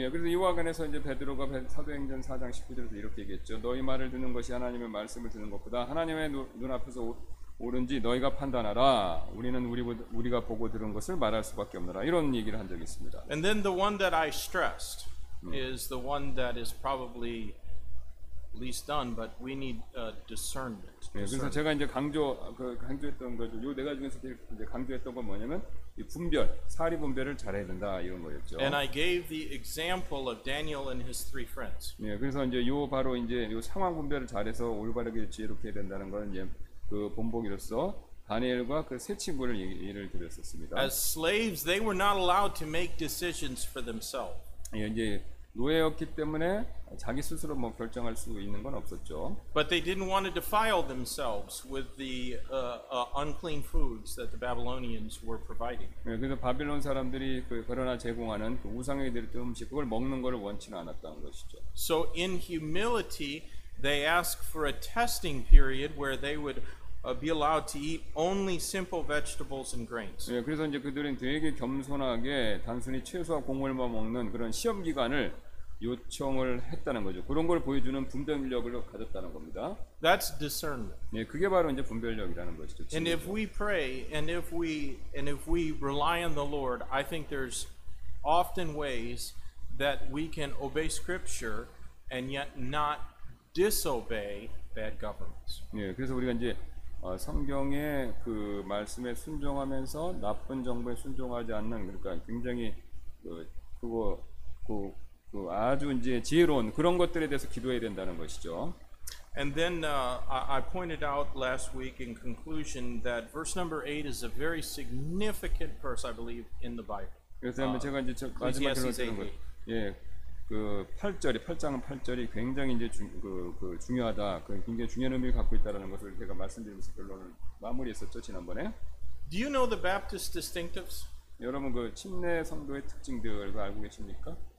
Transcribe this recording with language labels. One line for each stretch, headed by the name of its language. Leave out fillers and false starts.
Korean: 예, 그래서 이와 관해서 이제 베드로가 사도행전 4장 19절에서 이렇게 얘기했죠. 너희 말을 듣는 것이 하나님의 말씀을 듣는 것보다 하나님의 눈앞에서 옳은지 너희가 판단하라. 우리는 우리가 보고 들은 것을 말할 수밖에 없느라. 이런 얘기를 한 적이 있습니다.
English: And then the one that I stressed is the one that is probably least done, but we need discernment.
Korean: 네, 그래서 제가 이제 강조했던 거죠. 내가 중에서 이제 강조했던 건 뭐냐면 이 분별, 사리 분별을 잘해야 된다 이런 거였죠.
English: And I gave the example of Daniel and his three friends.
Korean: 네, 그래서 이제 바로 이제 상황 분별을 잘해서 올바르게 지혜롭게 해야 된다는 건 이제 그 본보기로서 다니엘과 그 세 친구를 얘기를 드렸었습니다.
English: As slaves, they were not allowed to make decisions for themselves.
Korean: 예, 이제 노예였기 때문에 자기 스스로 뭐 결정할 수 있는 건 없었죠.
English: But they didn't want to defile themselves with the unclean foods that the Babylonians were providing.
Korean: 예, 그래서 바빌론 사람들이 그러나 제공하는 그 우상에게 드린 음식 그걸 먹는 것을 원치는 않았다는 것이죠.
English: So in humility, they asked for a testing period where they would be allowed to eat only simple vegetables and grains.
Korean: 예, 그래서 이제 그들은 되게 겸손하게 단순히 채소와 곡물만 먹는 그런 시험 기간을 요청을 했다는 거죠. 그런 걸 보여주는 분별력을 가졌다는 겁니다.
English: That's discernment.
Korean: 예, 그게 바로 이제 분별력이라는 것이죠. 진리죠.
English: And if we pray and if we rely on the Lord, I think there's often ways that we can obey scripture and yet not disobey bad governments.
Korean: 예, 그래서 우리가 이제 성경의 그 말씀에 순종하면서 나쁜 정부에 순종하지 않는 그러니까 굉장히 그 아주 이제 지혜로운 그런 것들에 대해서 기도해야 된다는 것이죠.
English: And then I pointed out last week in conclusion that verse number 8 is a very significant verse, I believe, in the Bible.
Korean: 그래서 제가 이제 마지막으로 드리는 거 예. 그 8절이 8장은 8절이 굉장히 이제 그 중요하다. 그 굉장히 중요한 의미를 갖고 있다라는 것을 제가 말씀드리면서 결론을 마무리했었죠, 지난번에.
English: Do you know the Baptist distinctives?
Korean: 여러분 그 침례 성도의 특징들 알고 계십니까?